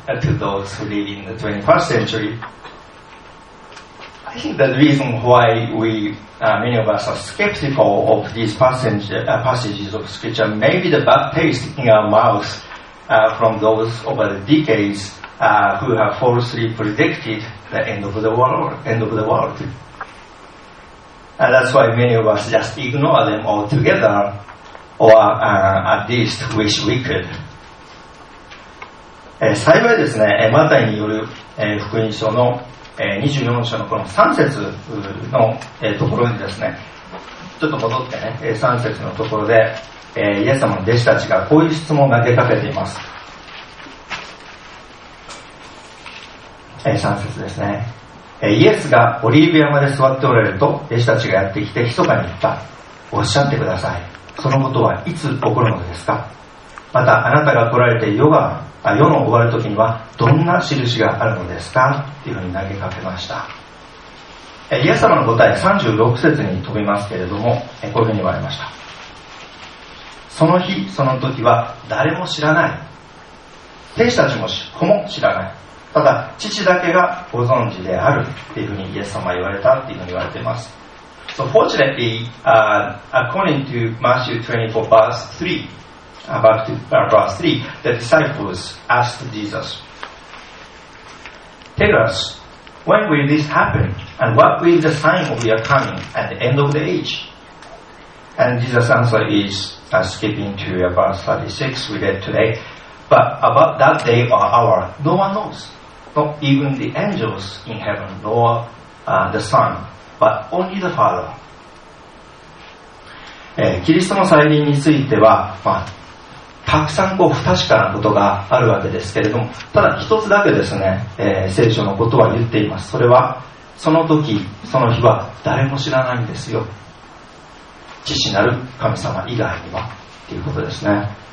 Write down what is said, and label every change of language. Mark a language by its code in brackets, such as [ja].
[en] To those who live in the 21st century. I think the reason why we, many of us are skeptical of these passages of scripture may be the bad taste in our mouths from those over the decades who have falsely predicted the end of the world. End of the world. And that's why many of us just ignore them altogether or at least wish we could. [ja] 幸いですね、マタイによる福音書の24章のこの3節のところにですね、ちょっと戻ってね、3節のところでイエス様の弟子たちがこういう質問を投げかけています。 3節ですね、イエスがオリーブ山で座っておられると弟子たちがやってきて密かに言った。おっしゃってください、そのことはいつ起こるのですか。またあなたが来られて世の終わる時にはどんな印があるのですか、というふうに投げかけました。イエス様の答え36節に飛びますけれども、こういうふうに言われました。その日その時は誰も知らない、弟子たちも子も知らない、ただ父だけがご存知である、というふうにイエス様は言われた、というふうに言われています。 [en] So fortunately according to Matthew 24 verse 3Back to verse 3, the disciples asked Jesus, Tell us, when will this happen? And what will be the sign of your coming at the end of the age? And Jesus' answer is, skipping to verse 36 we read today, But about that day or hour, no one knows, not even the angels in heaven, nor the Son, but only the Father. [ja] キリストの再臨については、たくさんこう不確かなことがあるわけですけれども、ただ一つだけですね、聖書のことは言っています。それはその時その日は誰も知らないんですよ、父なる神様以外には、ということですね。